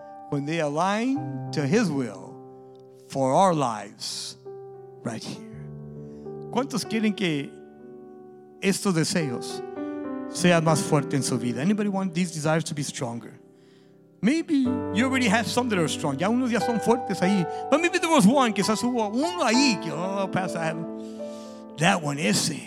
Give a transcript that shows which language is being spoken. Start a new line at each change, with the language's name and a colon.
English: When they align to His will for our lives right here.
Spanish: ¿Cuántos quieren que estos deseos sean más fuertes en su vida?
English: Anybody want these desires to be stronger? Maybe you already have some that are strong.
Spanish: Ya unos ya son fuertes ahí.
English: But maybe there was one,
Spanish: quizás hubo uno ahí que,
English: oh, Pastor, I have that one, ese.